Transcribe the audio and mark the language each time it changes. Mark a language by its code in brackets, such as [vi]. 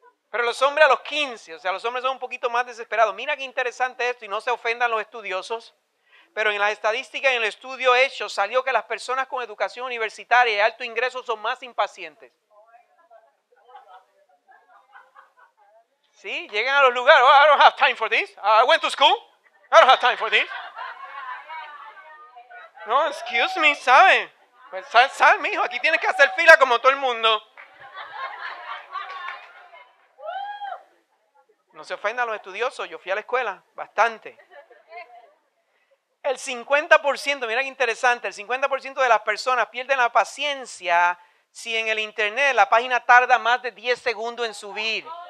[es] Pero los hombres a los 15, o sea, los hombres son un poquito más desesperados. Mira qué interesante esto, y no se ofendan los estudiosos, pero en las estadísticas, en el estudio hecho, salió que las personas con educación universitaria y alto ingreso son más impacientes. Sí, llegan a los lugares. [en] Oh, I don't have time for this. I went to school. I don't have time for this. [es] No, [en] excuse me, [es] ¿sabe? Pues sal, mijo. Aquí tienes que hacer fila como todo el mundo. No se ofendan los estudiosos. Yo fui a la escuela bastante. El 50%, mira qué interesante, el 50% de las personas pierden la paciencia si en el internet la página tarda más de 10 segundos en subir.